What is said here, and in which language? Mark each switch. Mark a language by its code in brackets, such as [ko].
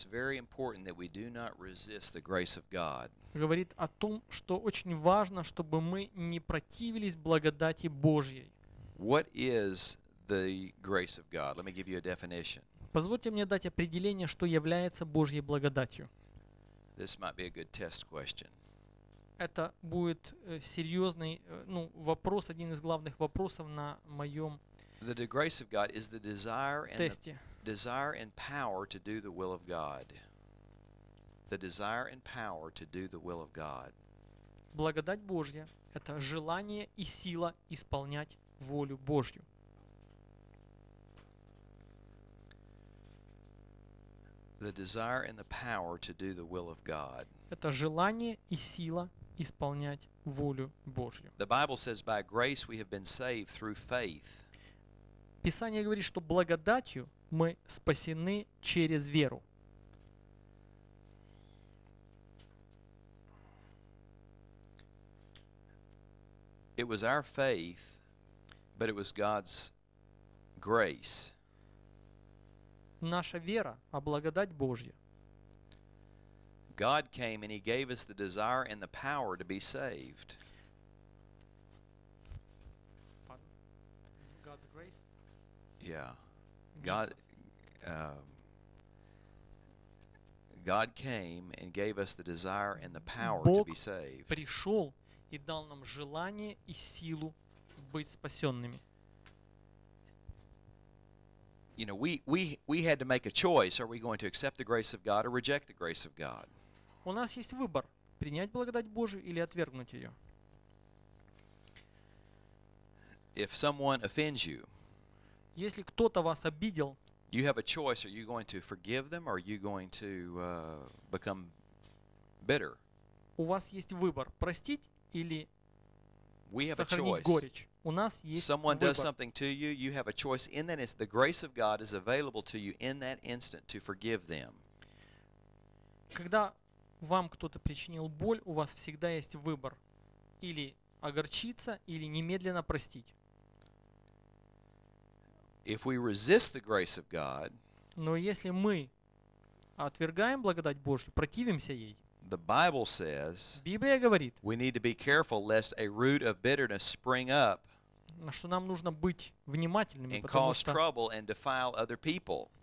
[en] says it's very important that we do not resist the grace of God. [ru] Говорит о том, что очень важно, чтобы мы не противились благодати Божьей. [en] What is the grace of God? Let me give you a definition. [ru] Позвольте мне дать определение, что является Божьей благодатью. [en] This might be a good test question. [ru] Это будет серьезный вопрос, один из главных вопросов на моем [en] The grace of God is the desire and [ru] тесте. [en] The desire and power to do the will of God. The desire and power to do the will of God. [ru] Благодать Божья – это желание и сила исполнять волю Божью. [en] The desire and the power to do the will of God. [ru] Это желание и сила исполнять волю Божью. [en] The Bible says, "By grace we have been saved through faith." [ru] Писание говорит, что благодатью мы спасены через веру. [en] It was our faith, but it was God's grace. [ru] Наша вера, а благодать Божья. [en] God came and he gave us the desire and the power to be saved. God's grace? Yeah. God, God came and gave us the desire and the power [ru] Бог [en] to be saved. [ru] Бог пришел и дал нам желание и силу быть спасенными. [en] You know, we had to make a choice. Are we going to accept the grace of God or reject the grace of God? [ru] У нас есть выбор: принять благодать Божию или отвергнуть ее. [en] If someone offends you, [ru] если кто-то вас обидел, [en] you have a choice: are you going to forgive them or are you going to become bitter? [ru] У вас есть выбор: простить или сохранить горечь. У нас есть [en] Someone [ru] выбор. [en] Does something to you, you have a choice in that instant. The grace of God is available to you in that instant to forgive them. [ru] Когда вам кто-то причинил боль, у вас всегда есть выбор: или огорчиться, или немедленно простить. [en] If we resist the grace of God, [ru] но если мы отвергаем благодать Божью, противимся ей, [en] The Bible says, [ru] Библия говорит, [en] we need to be careful lest a root of bitterness spring up [ru] что нам нужно быть внимательными, [en] and cause trouble and defile other people.